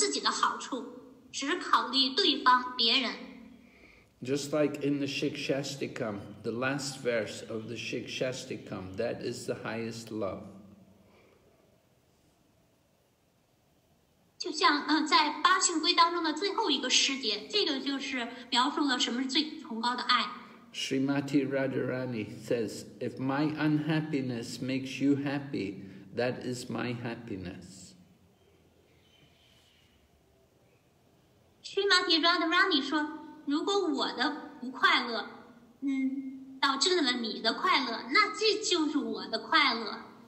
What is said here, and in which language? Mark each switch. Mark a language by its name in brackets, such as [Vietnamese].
[Chinese] 会为了别人而牺牲一切，不考虑自己的好处，只考虑对方、别人。 [English] Just like in the Shikshastikam, the last verse of the Shikshastikam, that is the highest love. [Chinese] 就像在八训规当中的最后一个诗节，这个就是描述了什么是最崇高的爱。 [English] Srimati Radharani says, if my unhappiness makes you happy, that is my happiness. Srimati Radharani said, [Chinese] 如果我的不快乐导致了你的快乐，那这就是我的快乐。